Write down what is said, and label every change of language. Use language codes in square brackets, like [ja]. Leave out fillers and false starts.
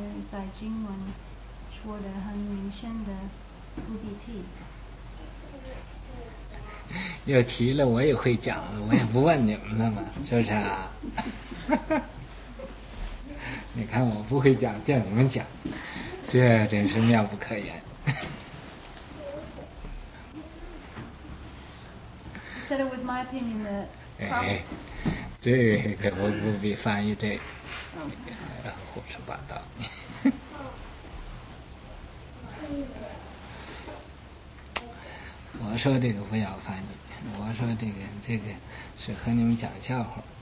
[zh] 在经文说的很明显的不必提，要提了我也会讲，我也不问你们了嘛，是不是啊？你看我不会讲叫你们讲，这真是妙不可言。 [en] He said it was my opinion that probably... [zh] 哎，这个我不必翻译这个。 Okay. 胡说八道。我说这个不要翻译，我说这个是和你们讲笑话。